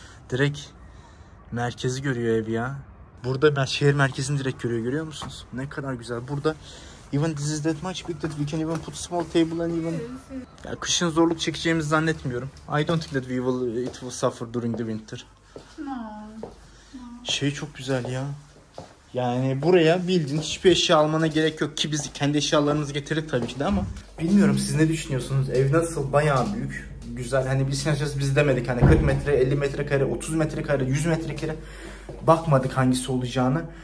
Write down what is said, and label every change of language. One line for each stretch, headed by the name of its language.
Turkish: Direkt merkezi görüyor ev ya. Burada şehir merkezini direkt görüyor. Görüyor musunuz? Ne kadar güzel. Burada
English: even this is that much big that we can even put small table and even...
Turkish: Ya kışın zorluk çekeceğimizi zannetmiyorum.
English: I don't think that we will, it will suffer during the winter.
Turkish: Şey çok güzel ya. Yani buraya bildiğin hiçbir eşya almana gerek yok ki biz kendi eşyalarımızı getirdik tabii ki de, ama bilmiyorum siz ne düşünüyorsunuz? Ev nasıl? Bayağı büyük. Güzel. Hani biz sinirsiz biz demedik. Hani 40 metre, 50 metrekare, 30 metrekare, 100 metrekare bakmadık hangisi olacağını.